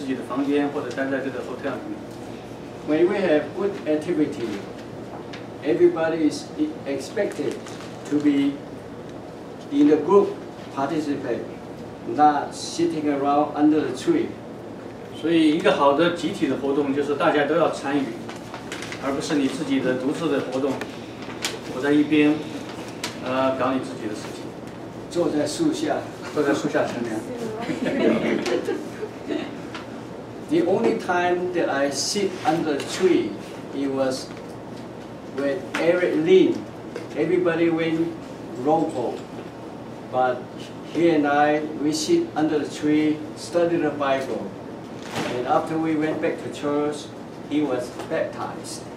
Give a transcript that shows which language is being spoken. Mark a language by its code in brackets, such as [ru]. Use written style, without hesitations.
[zh] 除了大家聚会活动的一些时间，如果大家要出门，要跟我们打个招呼，我们知道你去哪里，不然呢，就好大家就待在你自己的房间或者待在这个 hotel 里面。 [en] When we have good activity, everybody is expected to be in the group participate, not sitting around under the tree. [zh] 所以一个好的集体的活动就是大家都要参与，而不是你自己的独自的活动，躲在一边，搞你自己的事情。坐在树下乘凉。 [en] The only time that I sit under the tree, it was with Eric Lin. Everybody went rowboat, but he and I, we sit under the tree, study the Bible. And after we went back to church, he was baptized.